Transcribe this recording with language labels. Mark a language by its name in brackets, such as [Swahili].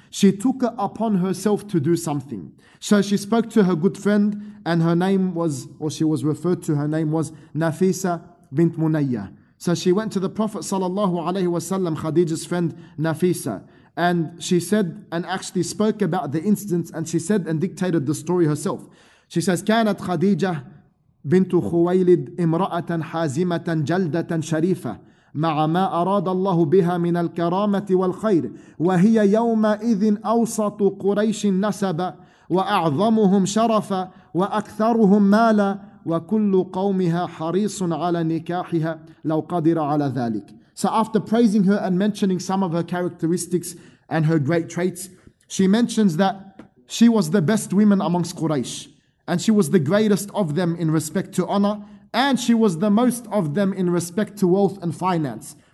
[English] She took it upon herself to do something. So she spoke to her good friend, and her name was, or she was referred to, her name was Nafisa bint Munayya. So she went to the Prophet sallallahu alayhi wa sallam, Khadija's friend Nafisa, and she said, and actually spoke about the incidents, and she said and dictated the story herself. She says, [Arabic] كانت خديجة بنت خويلد امرأة حازمة جلدة شريفة مع ما أراد الله بها من الكرامة والخير وهي يومئذ أوسط قريش نسبا وأعظمهم شرفا وأكثرهم مالا وكل قومها حريص على نكاحها لو قدر على ذلك. [English] So after praising her and mentioning some of her characteristics and her great traits, she mentions that she was the best woman amongst Quraysh. And she was the greatest of them in respect to honor. And she was the most of them in respect to wealth and finance.